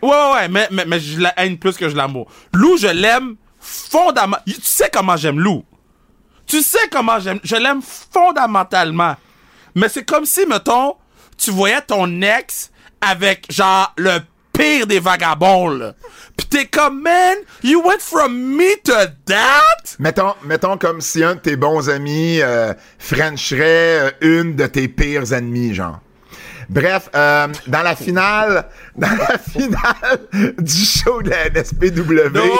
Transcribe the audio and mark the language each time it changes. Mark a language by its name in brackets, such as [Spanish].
[French] Ouais, mais je la haine plus que je l'amour. Lou, je l'aime fondamentalement. Tu sais comment j'aime Lou. Je l'aime fondamentalement. Mais c'est comme si, mettons, tu voyais ton ex avec genre le pire des vagabonds là. Pis t'es comme, [English] man, you went from me to that? [French] Mettons comme si un de tes bons amis frencherait une de tes pires ennemis, genre. Bref, dans la finale du show de la NSPW.